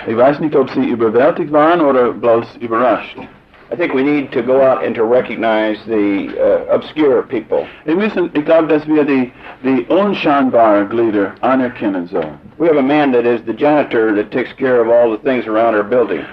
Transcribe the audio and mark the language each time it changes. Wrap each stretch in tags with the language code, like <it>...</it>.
<de>Ich weiß nicht, ob sie überwältigt waren oder bloß überrascht.</de> <en>I think we need to go out and to recognize the obscure people.</en> <de>Ich glaube, dass wir die unscheinbaren Glieder anerkennen sollen.</de> <en>We have a man that is the janitor that takes care of all the things around our building.</en>